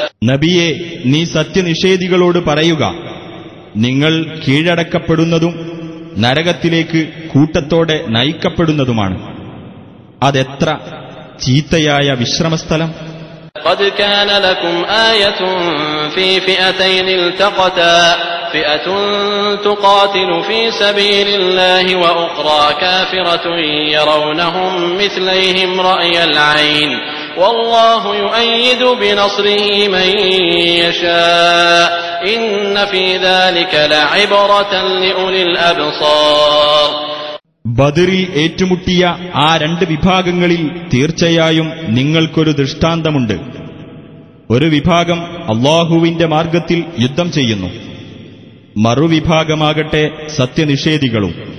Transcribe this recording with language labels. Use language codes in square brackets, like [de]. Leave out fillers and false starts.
[ml] നബിയെ, നീ സത്യനിഷേധികളോട് പറയുക, നിങ്ങൾ കീഴടക്കപ്പെടുന്നതും നരകത്തിലേക്ക് കൂട്ടത്തോടെ നയിക്കപ്പെടുന്നതുമാണ്. അതെത്ര ചീത്തയായ വിശ്രമസ്ഥലം. [ar] قد كان لكم آية في فئتين التقتا فئة تقاتل في سبيل الله وأخرى كافرة يرونهم مثليهم رأي العين والله يؤيد بنصره من يشاء إن في ذلك لعبرة لأولي الأبصار. [ml] ബദറിൽ ഏറ്റുമുട്ടിയ ആ രണ്ട് വിഭാഗങ്ങളിൽ തീർച്ചയായും നിങ്ങൾക്കൊരു ദൃഷ്ടാന്തമുണ്ട്. ഒരു വിഭാഗം അല്ലാഹുവിന്റെ മാർഗത്തിൽ യുദ്ധം ചെയ്യുന്നു, മറുവിഭാഗമാകട്ടെ സത്യനിഷേധികളും.